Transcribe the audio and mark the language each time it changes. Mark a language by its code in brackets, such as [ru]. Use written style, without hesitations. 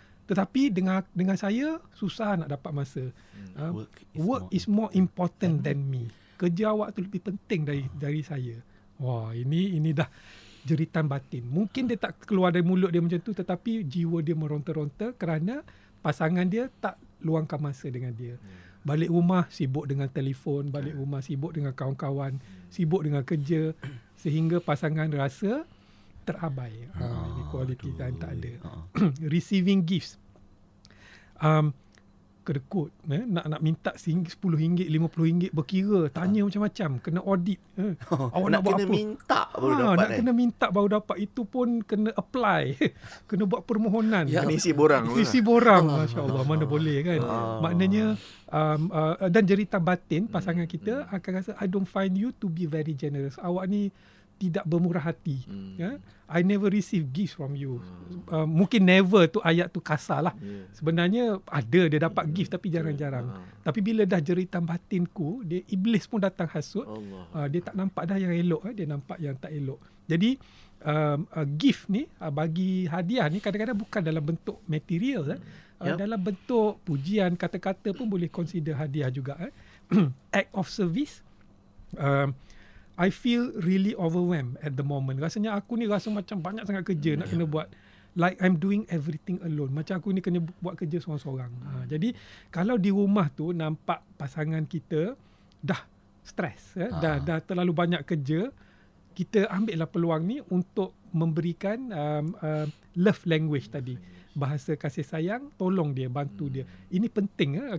[ms] Tetapi dengan saya, susah nak dapat masa. [en] Work is more important than me. [ms] Kerja awak tu lebih penting dari saya. Ini dah jeritan batin. Mungkin dia tak keluar dari mulut dia macam tu, tetapi jiwa dia meronta-ronta kerana pasangan dia tak luangkan masa dengan dia. Balik rumah sibuk dengan telefon, balik rumah sibuk dengan kawan-kawan, sibuk dengan kerja, sehingga pasangan rasa terabai. [en] Quality time [ms] tak ada. [en] Receiving gifts. [ms] Kedekut. Nak minta RM10, RM50 berkira, tanya macam-macam, kena audit. Awak nak buat apa? Nak kena minta baru dapat. Itu pun kena apply. Kena buat permohonan. Yang isi borang. Isi borang. Masya Allah. Mana boleh kan? Maknanya, dan jerita batin pasangan kita akan rasa, [en] I don't find you to be very generous. [ms] Awak ni tidak bermurah hati. [en] I never receive gifts from you. [ms] Mungkin never tu ayat tu kasar lah. Sebenarnya ada dia dapat gift tapi jarang-jarang. Tapi bila dah jerita batinku, dia iblis pun datang hasut. Dia tak nampak dah yang elok, dia nampak yang tak elok. Jadi gift ni, bagi hadiah ni, kadang-kadang bukan dalam bentuk material. Dalam bentuk pujian, kata-kata pun boleh consider hadiah juga. [en] Act of service. I feel really overwhelmed at the moment. [ms] Rasanya aku ni rasa macam banyak sangat kerja nak kena buat. [en] Like I'm doing everything alone. [ms] Macam aku ni kena buat kerja seorang-seorang. Jadi kalau di rumah tu nampak pasangan kita dah stres, dah terlalu banyak kerja, kita ambillah peluang ni untuk memberikan love language tadi. Bahasa kasih sayang, tolong dia, bantu dia. Ini penting.